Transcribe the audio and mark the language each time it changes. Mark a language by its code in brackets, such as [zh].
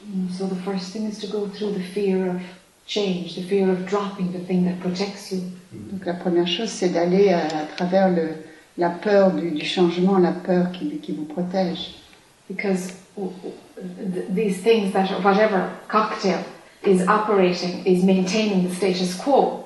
[en] So the first thing is to go through the fear of change, the fear of dropping the thing that protects you. [fr] Donc la première chose, c'est d'aller à travers la peur du changement, la peur qui vous protège. [en] Because these things, that whatever cocktail is operating, is maintaining the status quo.